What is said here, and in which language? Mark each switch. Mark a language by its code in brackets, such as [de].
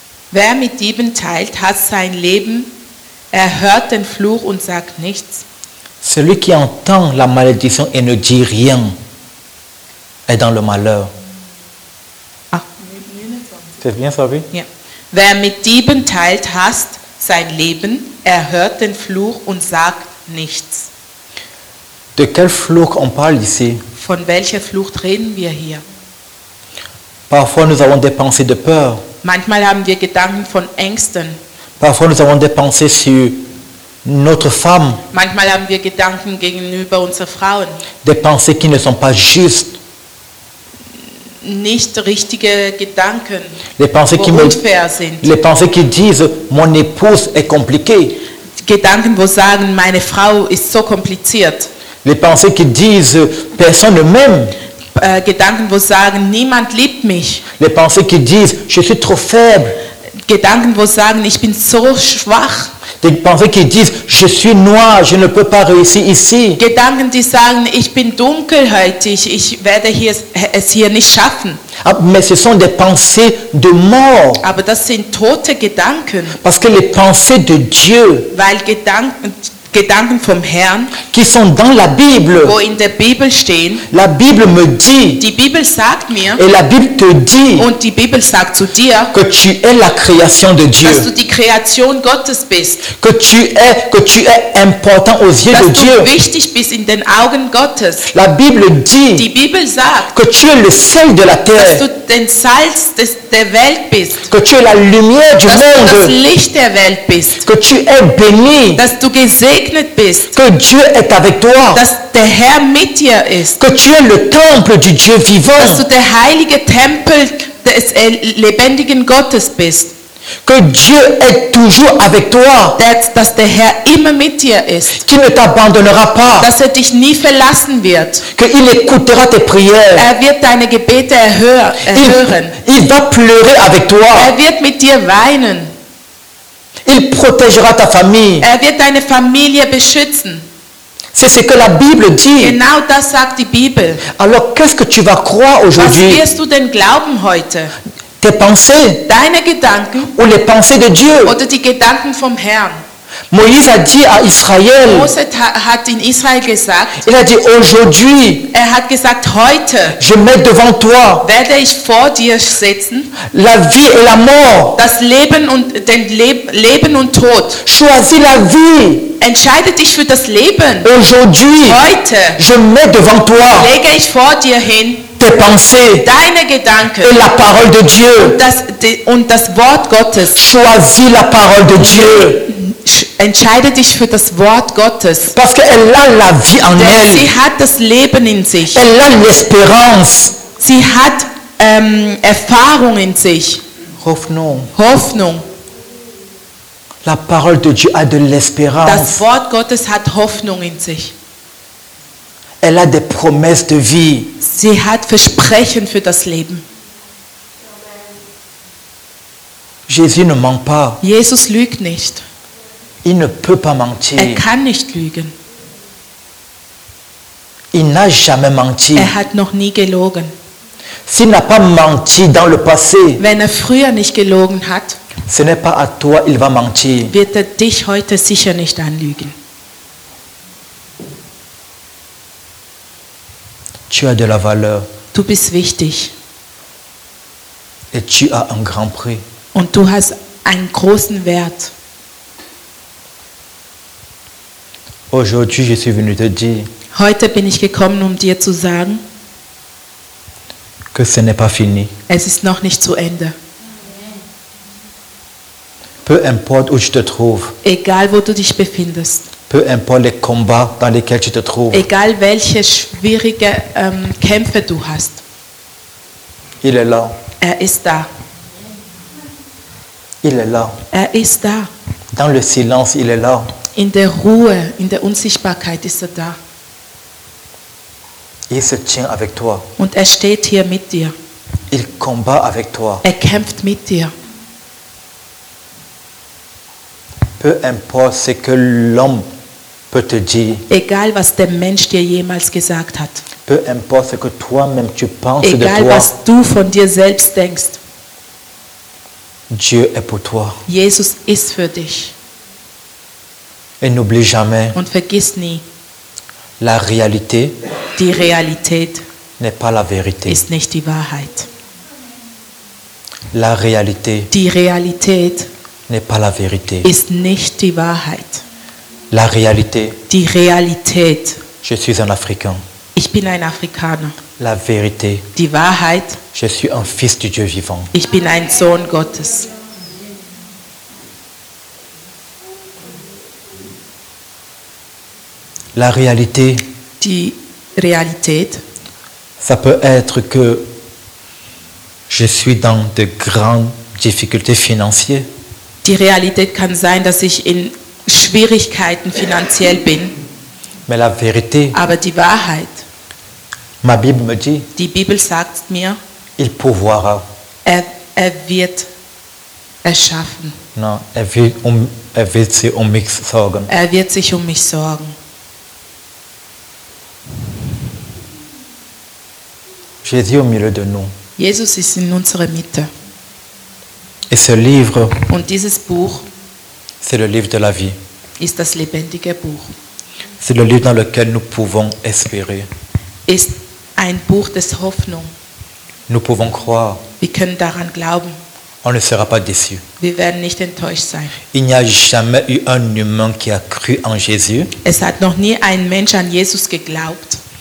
[de] Wer mit Dieben teilt, hat sein Leben, er hört den Fluch und sagt nichts. [fr] Celui qui entend la malédiction et ne dit rien est dans le malheur. Ah. C'est bien ça, oui? Yeah. [de] Wer mit Dieben teilt, hat sein Leben, er hört den Fluch und sagt nichts. [fr] De quel fluch on parle ici? [de] Von welcher Fluch reden wir hier? [fr] Parfois nous avons des pensées de peur. [de] Manchmal haben wir Gedanken von Ängsten. [fr] Parfois nous avons des pensées sur notre femme. [de] Manchmal haben wir Gedanken gegenüber unseren Frauen. [fr] Des pensées qui ne sont pas justes. [de] Nicht richtige Gedanken. [fr] Les pensées qui [de] unfair sind. [fr] Les pensées qui disent mon épouse est compliquée. [de] Gedanken, wo sagen meine Frau ist so kompliziert. [fr] Les pensées qui disent personne ne m'aime. [de] Gedanken, wo sagen, niemand liebt mich. [fr] Les pensées qui disent, je suis trop faible. [de] Gedanken, wo sagen, ich bin so schwach. [fr] Les pensées qui disent, je suis noir, je ne peux pas réussir ici. [de] Gedanken, die sagen, ich bin dunkelhäutig, ich werde es hier nicht schaffen. [fr] Mais ce sont des pensées de mort. [de] Aber das sind tote Gedanken. [fr] Parce que les pensées de Dieu. [de] Weil Gedanken vom Herrn, [fr] qui sont dans la Bible, [de] wo in der Bibel stehen, [fr] la Bible me dit, [de] die Bibel sagt mir, [fr] et la Bible te dit, [de] und die Bibel sagt zu dir, [fr] que tu es la création de Dieu, [de] dass du die Kreation Gottes bist, [fr] que tu es important aux yeux [de] dass [fr] de Dieu, [de] wichtig bist in den Augen Gottes, [fr] la Bible dit, [de] die Bibel sagt, [fr] que tu es le sel de la terre, [de] dass du den Salz der Welt bist, [fr] que tu es la lumière du [de] dass [fr] monde, [de] du das Licht der Welt bist, [fr] que tu es béni, [de] dass du gesegnet bist, [fr] que Dieu est avec toi, [de] dass der Herr mit dir ist, [fr] que tu es le temple du Dieu vivant, [de] dass du der heilige Tempel des lebendigen Gottes bist, [fr] que Dieu est toujours avec toi, [de] dass der Herr immer mit dir ist, [fr] qu'il ne t'abandonnera pas, [de] dass er dich nie verlassen wird, [fr] que il écoutera tes prières, [de] er wird deine Gebete erhören, [fr] il va pleurer avec toi, [de] er wird mit dir weinen. [fr] Il protégera ta famille. [de] Er wird deine Familie beschützen. [fr] C'est ce que la Bible dit. [de] Genau das sagt die Bibel. [fr] Alors qu'est-ce que tu vas croire aujourd'hui? [de] Was wirst du denn glauben heute? [fr] Tes pensées? [de] Deine Gedanken? [fr] Ou les pensées de Dieu? [de] Oder die Gedanken vom Herrn? [fr] Moïse a dit à Israël. [de] Mose hat in Israel gesagt. [fr] Il a dit aujourd'hui. [de] Er hat gesagt heute. [fr] Je mets devant toi. [de] Werde ich vor dir setzen. [fr] La vie et la mort. [de] Das Leben und den Leben und Tod. [fr] Choisis la vie. [de] Entscheide dich für das Leben. [fr] Aujourd'hui. [de] Heute. [fr] Je mets devant toi. [de] Lege ich vor dir hin. [fr] Tes pensées. [de] Deine Gedanken. [fr] Et la parole de Dieu. [de] Und das Wort Gottes. [fr] Choisis la parole de Dieu. [de] Entscheide dich für das Wort Gottes. [fr] Parce qu'elle a la vie en elle. [de] Sie hat das Leben in sich. [fr] Elle a l'espérance. [de] Sie hat Erfahrung in sich. [fr] Hoffnung. La parole de Dieu a de l'espérance. [de] Das Wort Gottes hat Hoffnung in sich. [fr] Elle a des promesses de vie. [de] Sie hat Versprechen für das Leben. [fr] Jésus ne ment pas. [de] Jesus lügt nicht. [fr] Il ne peut pas mentir. [de] Er kann nicht lügen. [fr] Il n'a jamais menti. [de] Er hat noch nie gelogen. [fr] S'il n'a pas menti dans le passé, [de] wenn er früher nicht gelogen hat, [fr] ce n'est pas à toi, il va mentir. [de] Wird er dich heute sicher nicht anlügen. [fr] Tu as de la valeur. [de] Du bist wichtig. [fr] Et tu as un grand prix. [de] Und du hast einen großen Wert. [fr] Aujourd'hui, je suis venu te dire, [de] heute bin ich gekommen, um dir zu sagen, [fr] que ce n'est pas fini. [de] Es ist noch nicht zu Ende. [fr] Peu importe où je te trouve. [de] Egal wo du dich befindest. [fr] Peu importe les combats dans lesquels tu te trouves. [de] Egal welche schwierige Kämpfe du hast. [fr] Il est là. [de] Er ist da. [fr] Il est là. [de] Er ist da. [fr] Dans le silence, il est là. [de] In der Ruhe, in der Unsichtbarkeit ist er da. [fr] Il se tient avec toi. [de] Und er steht hier mit dir. [fr] Il combat avec toi. [de] Er kämpft mit dir. [fr] Peu importe ce que l'homme peut te dire. [de] Egal was der Mensch dir jemals gesagt hat. [fr] Peu importe ce que toi-même tu penses [de] egal, [fr] de toi. [de] Egal was du von dir selbst denkst. [fr] Dieu est pour toi. [de] Jesus ist für dich. [fr] Et n'oublie jamais. [de] Und vergiss nie. [fr] La réalité. [de] Die Realität. [fr] N'est pas la vérité. [de] Ist nicht die Wahrheit. [fr] La réalité. [de] Die Realität. [fr] N'est pas la vérité. [de] Ist nicht die Wahrheit. [fr] La réalité. [de] Die Realität. [fr] Je suis un Africain. [de] Ich bin ein Afrikaner. [fr] La vérité. [de] Die Wahrheit. [fr] Je suis un fils du Dieu vivant. [de] Ich bin ein Sohn Gottes. [fr] La réalité. [de] Die Realität. [fr] Ça peut être que je suis dans de grandes difficultés financières. [de] Die Realität kann sein, dass ich in Schwierigkeiten finanziell bin. [fr] Mais la vérité. [de] Aber die Wahrheit. [fr] Ma Bible me dit. [de] Die Bibel sagt mir. [fr] Il pourvoira. [de] Er wird erschaffen. Non, er wird sich um mich sorgen. Er wird sich um mich sorgen. [fr] Jésus au milieu de nous. [de] Jesus ist in unserer Mitte. [fr] Et ce livre. [de] Und dieses Buch. [fr] C'est le livre de la vie. [de] Ist das lebendige Buch. [fr] C'est le livre dans lequel nous pouvons espérer. [de] Ist ein Buch des Hoffnung. [fr] Nous pouvons croire. [de] Wir können daran glauben. [fr] On ne sera pas déçus. [de] Wir werden nicht enttäuscht sein. [fr] Il n'y a jamais eu un humain qui a cru en Jésus. [de] Es hat noch nie ein Mensch an Jesus geglaubt.